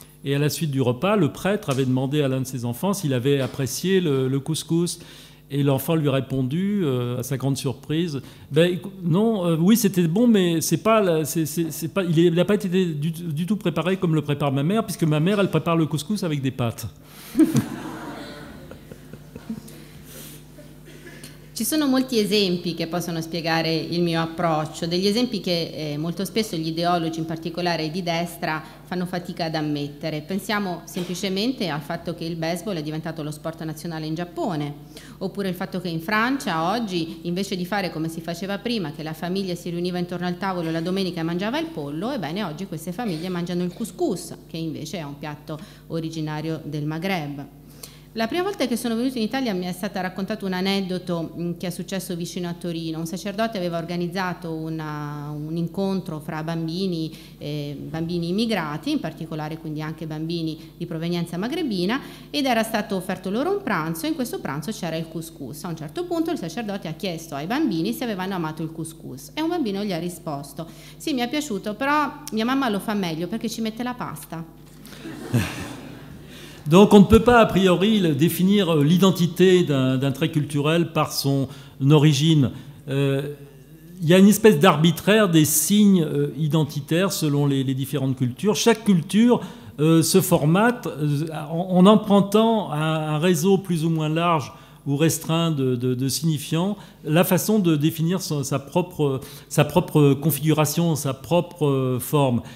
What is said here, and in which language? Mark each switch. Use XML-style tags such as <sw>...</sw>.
<fr>Et à la suite du repas, le prêtre avait demandé à l'un de ses enfants s'il avait apprécié le couscous. Et l'enfant lui a répondu, à sa grande surprise, oui, c'était bon, mais il n'a pas été du tout préparé comme le prépare ma mère, puisque ma mère, elle prépare le couscous avec des pâtes.</fr> <it>Ci sono molti esempi che possono spiegare il mio approccio, degli esempi che molto spesso gli ideologi, in particolare di destra, fanno fatica ad ammettere. Pensiamo semplicemente al fatto che il baseball è diventato lo sport nazionale in Giappone, oppure il fatto che in Francia oggi, invece di fare come si faceva prima, che la famiglia si riuniva intorno al tavolo la domenica e mangiava il pollo, ebbene oggi queste famiglie mangiano il couscous, che invece è un piatto originario del Maghreb. La prima volta che sono venuta in Italia mi è stato raccontato un aneddoto che è successo vicino a Torino. Un sacerdote aveva organizzato un incontro fra bambini immigrati, in particolare quindi anche bambini di provenienza maghrebina, ed era stato offerto loro un pranzo e in questo pranzo c'era il couscous. A un certo punto il sacerdote ha chiesto ai bambini se avevano amato il couscous e un bambino gli ha risposto: sì, mi è piaciuto, però mia mamma lo fa meglio perché ci mette la pasta.</it> <fr>Donc on ne peut pas a priori définir l'identité d'un trait culturel par son origine. Il y a une espèce d'arbitraire des signes identitaires selon les différentes cultures. Chaque culture se formate en empruntant un réseau plus ou moins large ou restreint de signifiants, la façon de définir sa propre configuration, sa propre forme.</fr>